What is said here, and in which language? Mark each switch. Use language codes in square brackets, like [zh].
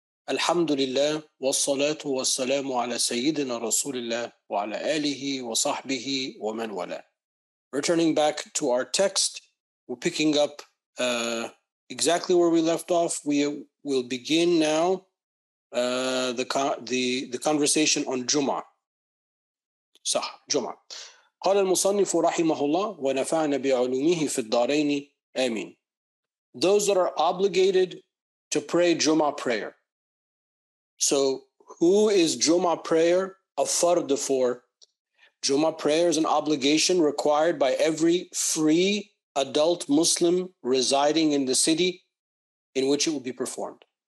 [ar] الحمد لله والصلاة والسلام على سيدنا رسول الله وعلى آله وصحبه ومن والاه. [en] Returning back to our text, we're picking up exactly where we left off. We will begin now the conversation on Jum'ah. صح Jum'ah. [ar] قال المصنف رحمه الله ونفعنا بعلومه في الدارين آمين. [en] Those that are obligated to pray Jum'ah prayer. So who is Jum'ah prayer a fard for? Jum'ah prayer is an obligation required by every free adult Muslim residing in the city in which it will be performed.